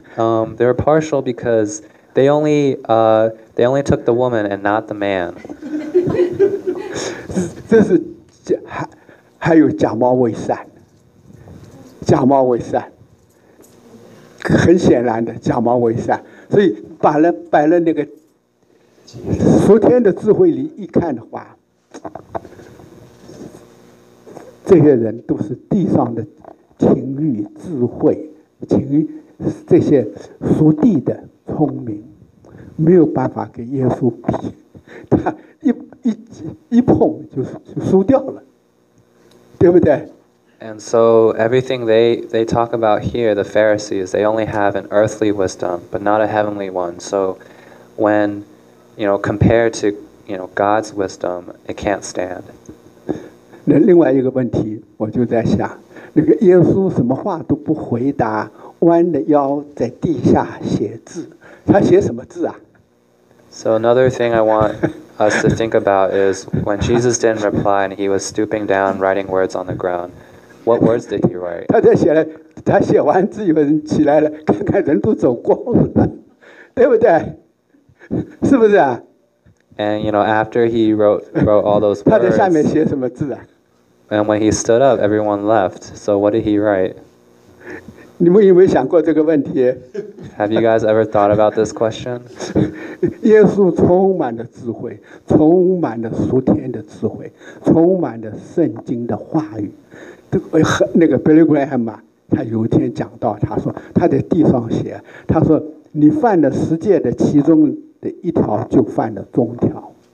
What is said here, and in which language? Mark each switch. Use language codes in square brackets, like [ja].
[en] They were partial because they only took the woman and not the man. [zh] 这是还有假冒伪善，假冒伪善，很显然的假冒伪善，所以摆了那个。昨天的智慧里一看的话，这些人都是地上的情欲、智慧、情欲，这些属地的聪明，没有办法跟耶稣比。他一碰就输掉了，对不对 [en] ？And so everything they talk about here, the Pharisees, they only have an earthly wisdom, but not a heavenly one. So whenYou know, compared to, you know, God's wisdom, it can't stand. [zh] 那另外一个问题，我就在想，那个耶稣什么话都不回答，弯着腰在地下写字，他写什么字啊 [en] ？So another thing I want us to think about is when Jesus didn't reply and he was stooping down writing words on the ground. What words did he write? [zh] 他在写了，他写完字以后人起来了，看看人都走光了，对不对？是不是啊 [en] ？And you know, after he wrote all those words, [zh] 他在下面写什么字啊 [en] ？And when he stood up, everyone left. So what did he write? [zh] 你们有没有想过这个问题 [en] ？Have you guys ever thought about this question? [zh] 耶稣充满了智慧，充满了属天的智慧，充满了圣经的话语。那个 Billy Graham 啊，他有一天讲到，他说他在地上写，他说。你犯了十诫的其中的一条，就犯了中条。